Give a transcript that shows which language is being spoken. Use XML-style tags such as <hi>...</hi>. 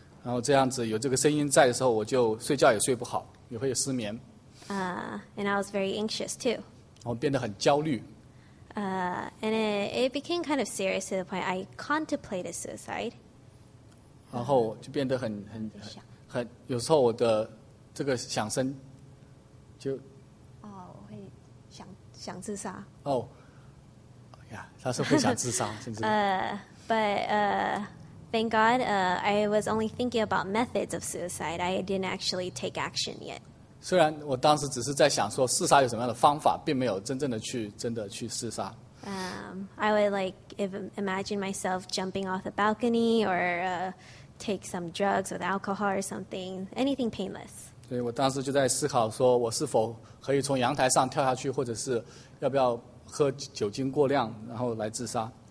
<zh>然后这样子有这个声音在的时候，我就睡觉也睡不好，也会有失眠。</zh> <en>And I was very anxious too.</en> <zh>然后变得很焦虑。</zh> <en>And it became kind of serious to the point I contemplated suicide.</en> <zh>然后就变得很有时候我的这个响声就我会想自杀。他是会想自杀，</zh> <en>thank God, I was only thinking about methods of suicide. I didn't actually take action yet.</en> <zh>虽然我当时只是在想说自杀有什么样的方法，并没有真的去自杀。</zh> <en>I would like imagine myself jumping off a balcony or take some drugs with alcohol or something, anything painless.</en> <zh>所以我当时就在思考说我是否可以从阳台上跳下去，或者是要不要喝酒精过量然后来自杀。</zh>